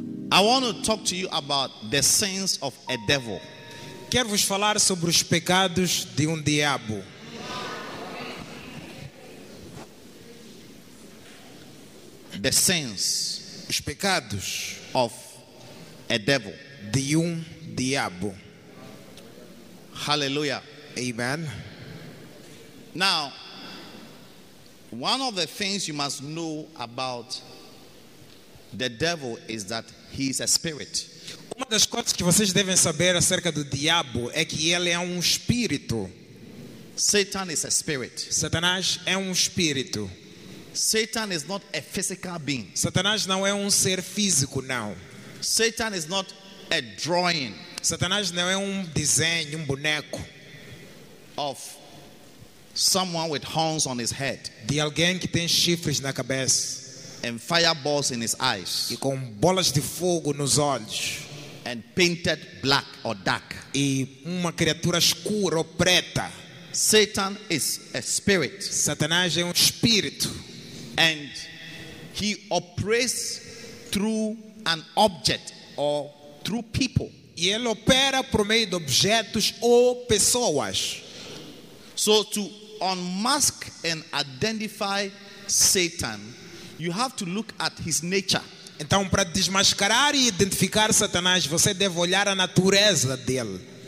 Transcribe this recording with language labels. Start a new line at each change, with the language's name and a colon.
English: I want to talk to you about the sins of a devil.
Portuguese: Quero vos falar sobre os pecados de diabo.
English: The sins,
Portuguese: os pecados
English: of a devil,
Portuguese: de diabo.
English: Hallelujah. Amen. Now, one of the things you must know about the devil is that he is a spirit.
Portuguese: Uma das coisas que vocês devem saber acerca do diabo é que ele é espírito.
English: Satan is a spirit.
Portuguese: Satanás é espírito.
English: Satan is not a physical being.
Portuguese: Satanás não é ser físico, não.
English: Satan is not a drawing.
Portuguese: Satanás não é desenho, boneco.
English: Of someone with horns on his head.
Portuguese: De alguém que tem chifres na cabeça.
English: And fireballs in his eyes.
Portuguese: E com bolas de fogo nos olhos.
English: And painted black or dark.
Portuguese: E criatura escura ou preta.
English: Satan is a spirit.
Portuguese: Satanás é espírito.
English: And he operates through an object or through people.
Portuguese: E ele opera por meio de objetos ou pessoas.
English: So to unmask and identify Satan, you have to look at his nature.
Portuguese: Então, para desmascarar e identificar Satanás, você deve olhar a natureza dele.